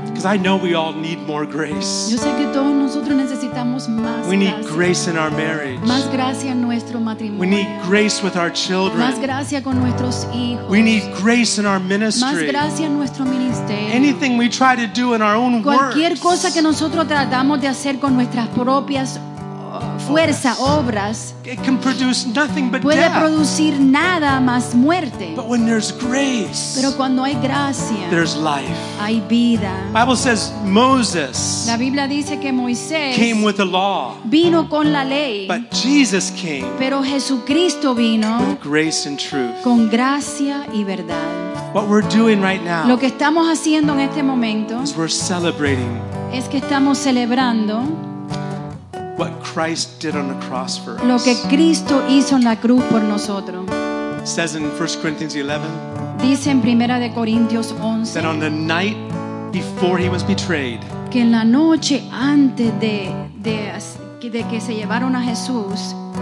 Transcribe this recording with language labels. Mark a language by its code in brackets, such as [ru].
[en] Because I know we all need more grace. [es] Yo sé que todos nosotros necesitamos más gracia. [en] We need grace in our marriage. [es] Más gracia en nuestro matrimonio. [en] We need grace with our children. [es] Más gracia con nuestros hijos. [en] We need grace in our ministry. [es] Más gracia en nuestro ministerio. [en] Anything we try to do in our own works. [es] Cualquier cosa que nosotros tratamos de hacer con nuestras propias fuerza, obras, [en] it can produce nothing but [es] puede [en] death. [es] Producir nada más muerte. [en] But when there's grace, [es] pero cuando hay gracia, [en] there's life. [es] Hay vida. [en] Bible says Moses, [es] la Biblia dice que Moisés [en] came with the law, [es] vino con la ley, [en] but Jesus came, [es] pero Jesucristo vino, [en] with grace and truth, [es] con gracia y verdad. [en] What we're doing right now, [es] lo que estamos haciendo en este momento, [en] is we're celebrating, [es] es que estamos celebrando [en] what Christ did on the cross for us. [es] Lo que Cristo hizo en la cruz por nosotros. [en] It says in 1 Corinthians 11. [es] Dice en Primera de Corintios 11. [en] That on the night before he was betrayed. [es] Que en la noche antes de que se llevaron a Jesús.